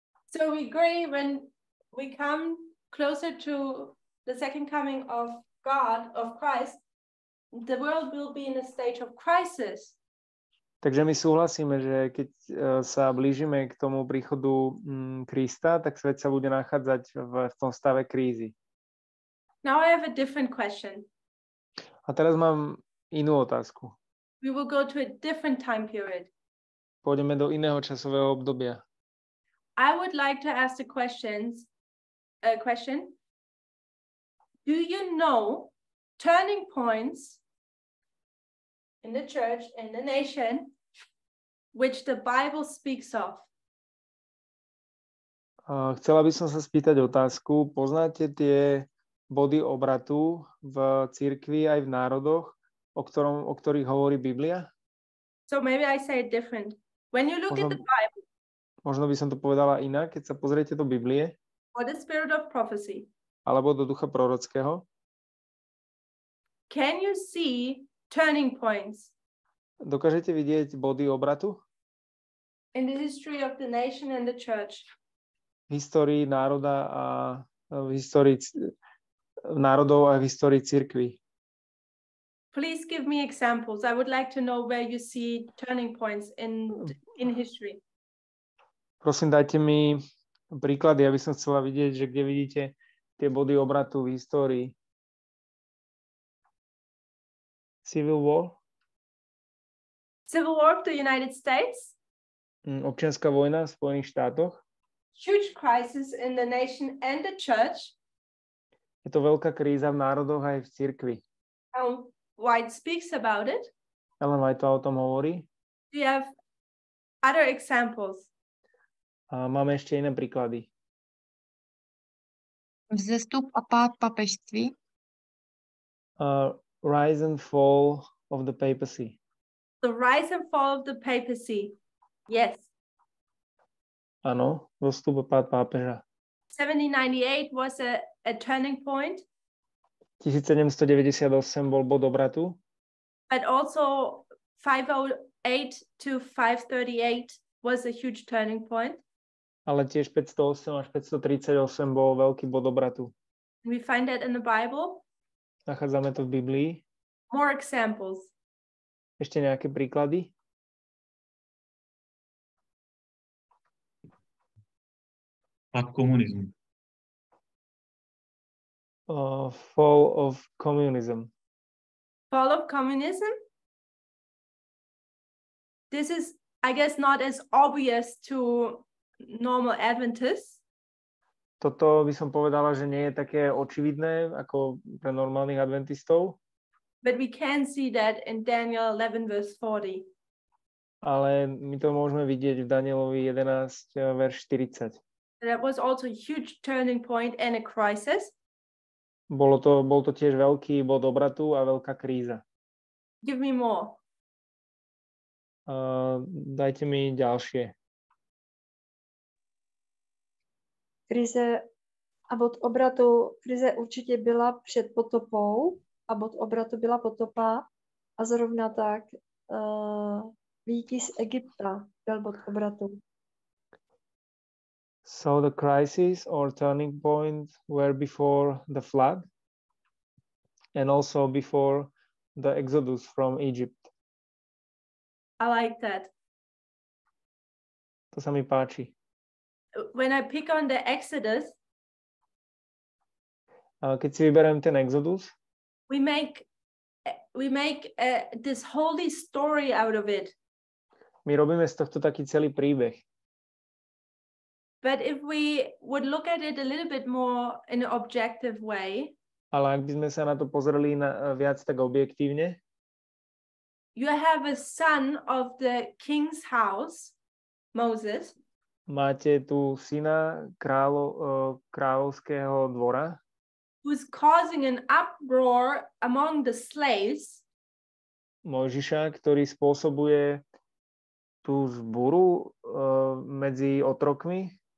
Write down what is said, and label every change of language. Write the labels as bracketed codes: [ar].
[en] So we agree when we come closer to the second coming of God, of Christ, the world will be in a state of crisis. [sk] Takže my súhlasíme, že keď sa blížime k tomu príchodu Krista, tak svet sa bude nachádzať v tom stave krízy. [en] Now I have a different question. [sk] A teraz mám inú otázku. [en] We will go to a different time period. [sk] Pôjdeme do iného časového obdobia. [en] I would like to ask a question. Do you know turning points in the church, in the nation, which the Bible speaks of? [sk] Chcela by som sa spýtať otázku. Poznáte tie body obratu v cirkvi aj v národoch, o ktorých hovorí Biblia? [en] So maybe I say it different. When you look at the Bible. [sk] Možno by som to povedala inak, keď sa pozriete do Biblie. [en] Or the spirit of prophecy. [sk] Alebo do ducha prorockého. [en] Can you see turning points? [sk] Dokážete vidieť body obratu? [en] In the history of the nation and the church. [sk] V histórii národa a v histórii národov a v histórii cirkvi. [en] Please give me examples. I would like to know where you see turning points in history. [sk] Prosím, dajte mi príklady, aby som chcela vidieť, že kde vidíte tie body obratu v histórii. [en] Civil war? Civil war of the United States? [sk] Občianska vojna v Spojených štátoch? [en] Huge crisis in the nation and the church? [sk] Je to veľká kríza v národoch aj v cirkvi. [en] Ellen White speaks about it. [sk] Ellen White o tom hovorí. [en] We have other examples. [sk] A máme ešte iné príklady. [cs] Vzestup a pád papežství. [en] Rise and fall of the papacy. The rise and fall of the papacy. Yes. [sk] Áno, vzestup a pád pápeža. [en] 1798 was a turning point. [sk] 1798 bol bod obratu. [en] But also 508 to 538 was a huge turning point. [sk] Ale tiež 508 až 538 bol veľký bod obratu. [en] We find that in the Bible. [sk] Nachádzame to v Biblii. [en] More examples. [sk] Ešte nejaké príklady? Pád komunizmu. [en] Fall of communism. Fall of communism? this is, I guess, not as obvious to normal Adventists. [sk] Toto by som povedala, že nie je také očividné ako pre normálnych adventistov. [en] But we can see that in Daniel 11 verse 40. [sk] Ale my to môžeme vidieť v Danielovi 11 verš 40. [en] That was also a huge turning point and a crisis. [sk] Bol to tiež veľký bod obratu a veľká kríza. [en] Give me more. [sk] Dajte mi ďalšie. [cs] Krize a bod obratu, krize určite byla pred potopou a bod obratu byla potopa a zrovna tak výtis z Egypta byl bod obratu. [en] So the crisis or turning point were before the flood and also before the exodus from Egypt. I like that. [sk] To sa mi páči. [en] When I pick on the Exodus, [sk] keď si vyberiem ten Exodus, [en] we make this holy story out of it. [sk] My robíme z tohto taký celý príbeh. [en] But if we would look at it a little bit more in an objective way, [sk] ale ak by sme sa na to pozreli viac tak objektívne, [en] you have a son of the king's house, Moses. [sk] Máte tu syna kráľovského dvora, [en] who's causing an uproar among the slaves. [sk] Mojžiša, ktorý spôsobuje tú zburu medzi otrokmi.